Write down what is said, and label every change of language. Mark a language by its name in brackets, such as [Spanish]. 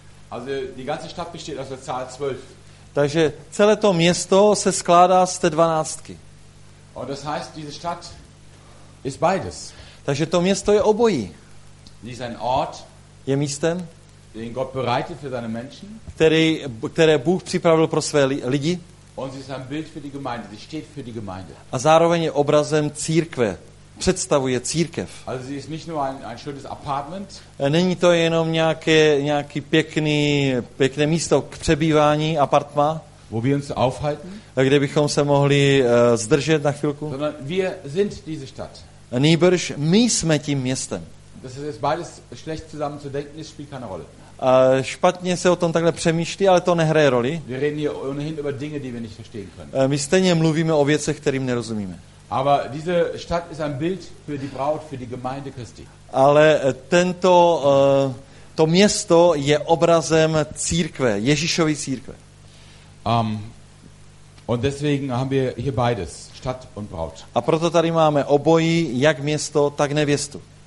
[German] Also die ganze Stadt besteht aus der Zahl 12. [Czech] Takže celé to město se skládá z té 12. [German] Und das heißt, diese Stadt ist beides. [Czech] Takže to město je obojí. [German] Sie ist ein Ort. [Czech] Je místem, [German] den Gott bereitet für seine Menschen, [Czech] které Bůh připravil pro své lidi. [German] Und sie ist ein Bild für die Gemeinde. Sie steht für die Gemeinde. [Czech] A zároveň je obrazem církve. Představuje církev. [German] Also sie ist nicht nur ein schönes apartment. [Czech] Není to jenom nějaký pěkné místo k přebývání, apartma, [German] wo wir uns aufhalten, [Czech] kde bychom se mohli zdržet na chvilku. [German] Sondern wir sind diese Stadt. [Czech] Nýbrž my jsme tím městem. [German] Das ist beides schlecht zusammen zu denken, es spielt keine Rolle. [Czech] Špatně se o tom takhle přemýšlí, ale to nehraje roli. [German] Wir reden hier ohnehin über Dinge, die wir nicht verstehen können. [Czech] My stejně mluvíme o věcech, kterým nerozumíme. [German] Aber diese Stadt ist ein Bild für die Braut, für die Gemeinde Christi. [Czech] Ale tento to město je obrazem církve, Ježíšovy církve. [German] Und deswegen haben wir hier beides, Stadt und Braut. [Czech] A proto tady máme obojí, jak město, tak nevěstu.